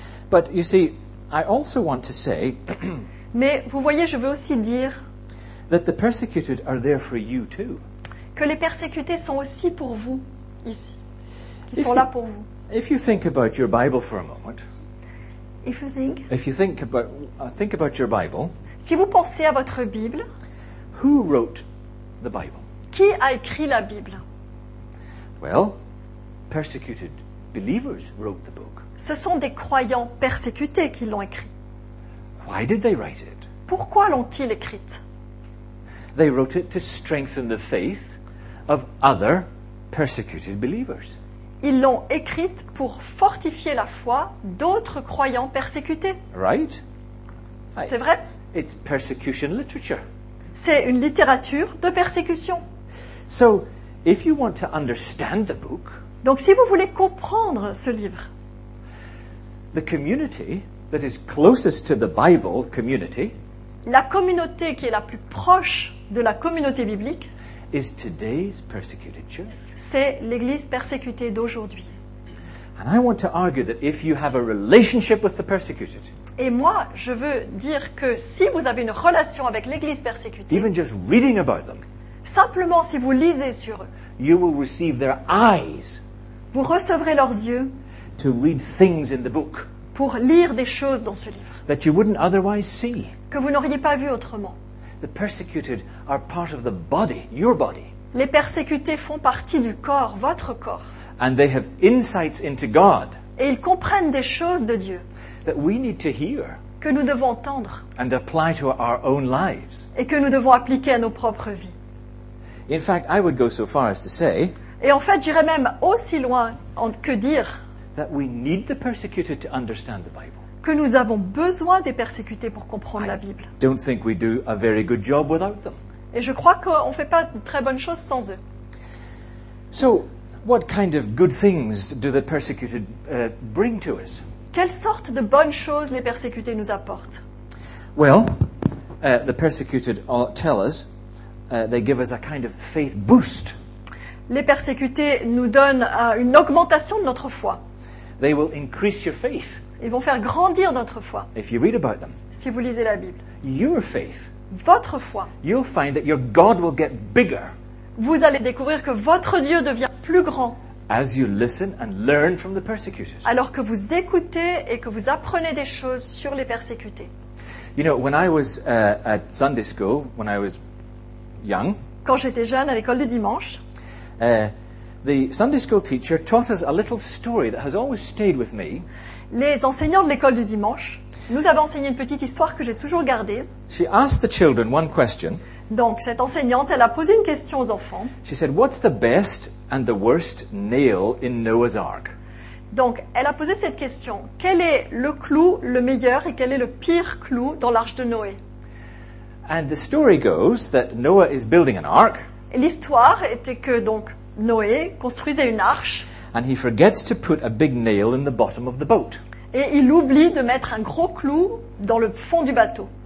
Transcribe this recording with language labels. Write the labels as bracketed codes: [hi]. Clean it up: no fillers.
[en] But you see, I also want to say [fr] mais vous voyez, je veux aussi dire [en] that the persecuted are there for you too. [fr] Que les persécutés sont aussi pour vous ici, qui sont là pour vous. [en] If you think about your Bible for a moment, if you think about your Bible, [fr] si vous pensez à votre Bible, [en] who wrote the Bible? [fr] Qui a écrit la Bible? [en] Well, persecuted believers wrote the book. [fr] Ce sont des croyants persécutés qui l'ont écrit. [en] Why did they write it? [fr] Pourquoi l'ont-ils écrite? [en] They wrote it to strengthen the faith of other persecuted believers. [fr] Ils l'ont écrite pour fortifier la foi d'autres croyants persécutés. [en] Right? [fr] C'est vrai? [en] It's persecution literature. [fr] C'est une littérature de persécution. [en] So, if you want to understand the book, [fr] donc si vous voulez comprendre ce livre, [en] the community that is closest to the Bible community, [fr] la communauté qui est la plus proche de la communauté biblique, [en] is today's persecuted church. [fr] C'est l'église persécutée d'aujourd'hui. [en] And I want to argue that if you have a relationship with the persecuted. [fr] Et moi, je veux dire que si vous avez une relation avec l'église persécutée. [en] Even just reading about them. [fr] Simplement si vous lisez sur eux. [en] You will receive their eyes. [fr] Vous recevrez leurs yeux. [en] To read things in the book. [fr] Pour lire des choses dans ce livre. [en] That you wouldn't otherwise see. [fr] Que vous n'auriez pas vu autrement. [en] The persecuted are part of the body, your body. [fr] Les persécutés font partie du corps, votre corps. [en] And they have insights into God. [fr] Et ils comprennent des choses de Dieu. [en] That we need to hear. [fr] Que nous devons entendre. [en] And apply to our own lives. [fr] Et que nous devons appliquer à nos propres vies. [en] In fact, I would go so far as to say. [fr] Et en fait, j'irais même aussi loin que dire. [en] That we need the persecuted to understand the Bible. [fr] Que nous avons besoin des persécutés pour comprendre la Bible. [en] I don't think we do a very good job without them. [fr] Et je crois qu'on ne fait pas de très bonnes choses sans eux. [en] So, what kind of good things do the persecuted bring to us? [fr] Quelle sorte de bonnes choses les persécutés nous apportent? [en] Well, the persecuted tell us, they give us a kind of faith boost. [fr] Les persécutés nous donnent une augmentation de notre foi. [en] They will increase your faith. [fr] Ils vont faire grandir notre foi. [en] If you read about them. [fr] Si vous lisez la Bible. [en] Your faith. [fr] Votre foi. [en] You'll find that your God will get bigger. [fr] Vous allez découvrir que votre Dieu devient plus grand. [en] As you listen and learn from the persecutors. [fr] Alors que vous écoutez et que vous apprenez des choses sur les persécutés. [en] You know, when I was at Sunday school, when I was young. [fr] Quand j'étais jeune à l'école du dimanche. [en] The Sunday school teacher taught us a little story that has always stayed with me. [fr] Les enseignants de l'école du dimanche. Nous avons enseigné une petite histoire que j'ai toujours gardée. [en] She asked the children one question. [fr] Donc, cette enseignante, elle a posé une question aux enfants. [en] She said, "What's the best and the worst nail in Noah's Ark?" [fr] Donc, elle a posé cette question. Quel est le clou le meilleur et quel est le pire clou dans l'arche de Noé? [en] And the story goes that Noah is building an ark. [fr] Et l'histoire était que donc Noé construisait une arche. [en] And he forgets to put a big nail in the bottom of the boat. [fr] Et il oublie de mettre un gros clou dans le fond du bateau.